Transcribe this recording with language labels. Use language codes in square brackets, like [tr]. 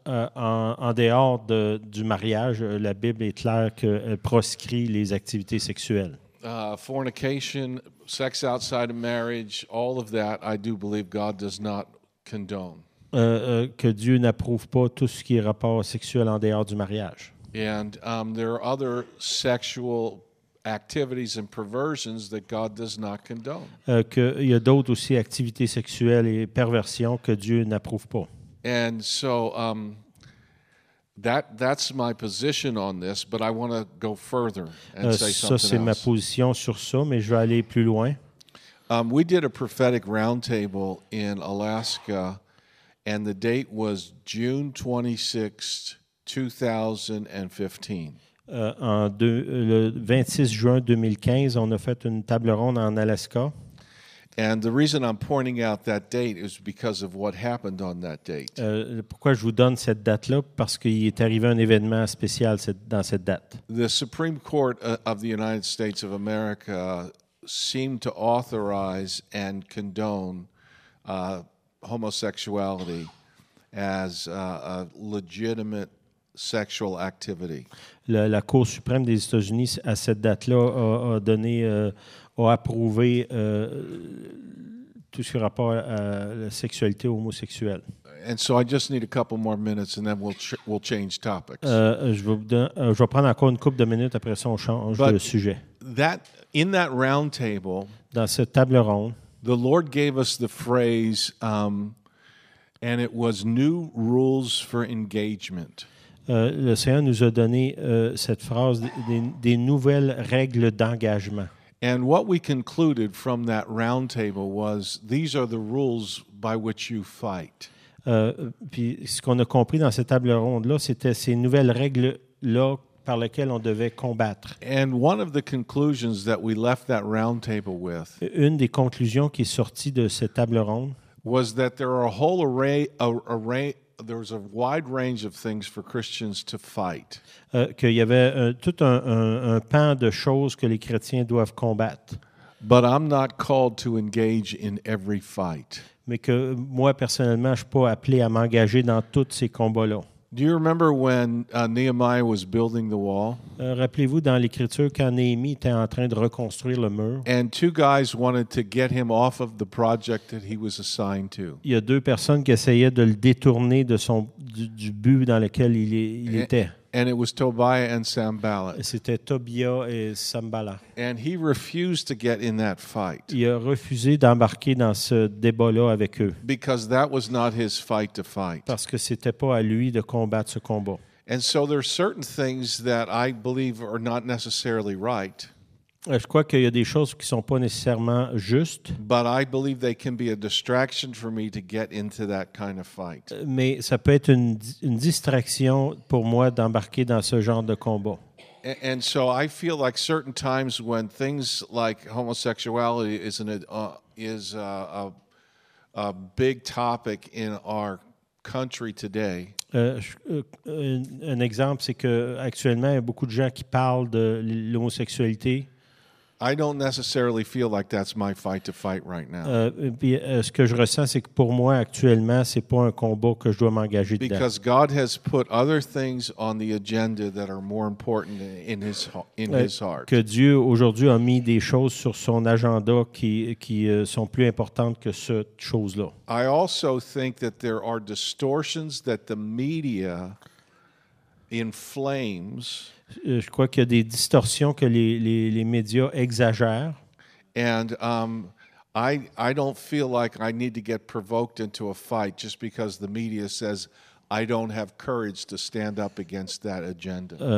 [fr] En dehors du mariage, la Bible est claire qu'elle proscrit les activités sexuelles. [en] Fornication, sex outside of marriage, all of that, I do believe God does not condone. [fr] Que Dieu n'approuve pas tout ce qui est rapport sexuel en dehors du mariage. [en] And there are other sexual activities and perversions that God does not condone. [fr] Il y a d'autres aussi activités sexuelles et perversions que Dieu n'approuve pas. [en] And so that's my position on this, but I want to go further and say something else. [fr] Ça c'est ma position sur ça, mais je vais aller plus loin. [en] We did a prophetic roundtable in Alaska, and the date was June 26, 2015. [fr] Le 26 juin 2015, on a fait une table ronde en Alaska. [en] And the reason I'm pointing out that date is because of what happened on that date. [fr] Pourquoi je vous donne cette date-là? Parce qu'il est arrivé un événement spécial dans cette date. [en] The Supreme Court of the United States of America seemed to authorize and condone homosexuality as a legitimate sexual activity. [fr] La Cour suprême des États-Unis à cette date-là a approuvé tout ce rapport à la sexualité homosexuelle. [en] And so I just need a couple more minutes and then we'll change topics. [fr] Je vais prendre encore une couple de minutes après ça on change [en] But [fr] de sujet. [en] That in that round table, [fr] dans cette table ronde, [en] the Lord gave us the phrase and it was new rules for engagement. [fr] Le Seigneur nous a donné cette phrase des nouvelles règles d'engagement. [en] And what we concluded from that round table was these are the rules by which you fight. [fr] Puis ce qu'on a compris dans cette table ronde là, c'était ces nouvelles règles là par lesquelles on devait combattre. [en] And one of the conclusions that we left that round table with. [fr] Une des conclusions qui est sortie de cette table ronde [en] was that there are a whole array there's a wide range of things for Christians to fight. [fr] Qu'il y avait tout un pan de choses que les chrétiens doivent combattre. [en] But I'm not called to engage in every fight. [fr] Mais que moi personnellement, je suis pas appelé à m'engager dans tous ces combats-là. [en] Do you remember when Nehemiah was building the wall? [fr] Rappelez-vous dans l'écriture quand Néhémie était en train de reconstruire le mur? [en] And two guys wanted to get him off of the project that he was assigned to. [fr] Il y a deux personnes qui essayaient de le détourner de son du but dans lequel il était. [en] And it was Tobiah and Sambalat. [fr] C'était Tobiah et Sambalat. [en] And he refused to get in that fight. [fr] Il a refusé d'embarquer dans ce débat-là avec eux. [en] Because that was not his fight to fight. [fr] Parce que c'était pas à lui de combattre ce combat. [en] And so there are certain things that I believe are not necessarily right. [fr] Je crois qu'il y a des choses qui ne sont pas nécessairement justes. [en] But I believe they can be a distraction for me to get into that kind of fight. [fr] Mais ça peut être une distraction pour moi d'embarquer dans ce genre de combat. [en] And so I feel like certain times when things like homosexuality is a big topic in our country today. [fr] Un exemple, c'est que actuellement il y a beaucoup de gens qui parlent de l'homosexualité. [en] I don't necessarily feel like that's my fight to fight right now. [fr] Ce que je ressens, c'est que pour moi actuellement, c'est pas un combat que je dois m'engager dedans. [en] Because God has put other things on the agenda that are more important in his heart. [fr] Que Dieu aujourd'hui a mis des choses sur son agenda qui sont plus importantes que cette chose-là. [en] I also think that there are distortions that the media inflames. [fr] Je crois qu'il y a des distorsions que les médias exagèrent. [en] And I don't feel like I need to get provoked into a fight just because the media says I don't have courage to stand up against that agenda.